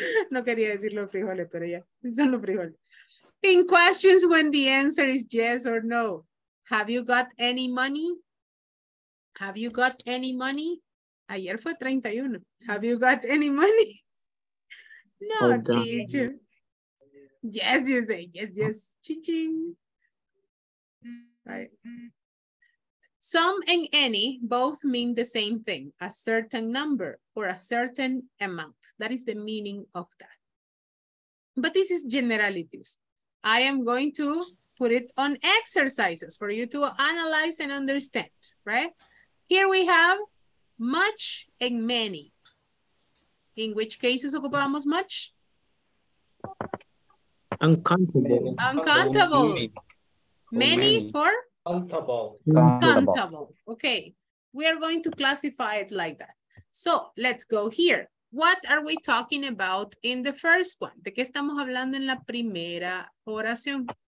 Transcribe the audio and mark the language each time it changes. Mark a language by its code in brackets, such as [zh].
[es] No quería decir los frijoles, pero ya, son los frijoles. [en] In questions when the answer is yes or no. Have you got any money? Have you got any money? [es] Ayer fue 31. [en] Have you got any money? No, teacher. Yes, you say. Yes, yes. Ching-ching. Right. Some and any both mean the same thing, a certain number or a certain amount. That is the meaning of that. But this is generalities. I am going to put it on exercises for you to analyze and understand, right? Here we have much and many. In which cases [es] ocupamos [en] much? Uncountable. Many for? Countable. Okay. We are going to classify it like that. So let's go here. What are we talking about in the first one? [es] ¿De qué estamos hablando en la primera oración?